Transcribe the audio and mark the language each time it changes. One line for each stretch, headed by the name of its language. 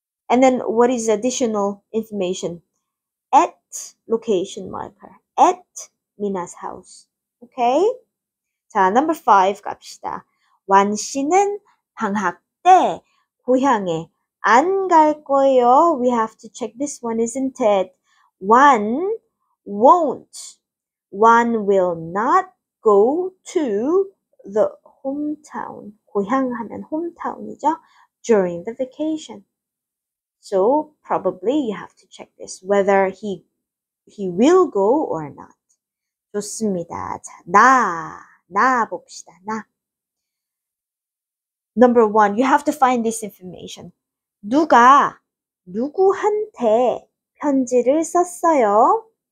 English: And then, what is additional information? At location marker. At Mina's house. Okay? 자, number five
Korean: 갑시다. 완 씨는 방학 때 고향에 안 갈 거예요.
English: We have to check this one, isn't it? One won't. One will not go to the hometown.
Korean: 고향 하면 hometown이죠.
English: During the vacation. So probably you have to check this. Whether he will go or not.
Korean: 좋습니다. 자, 나 봅시다. 나.
English: Number one, you have to find this information.
Korean: 누가 누구한테 편지를 썼어요?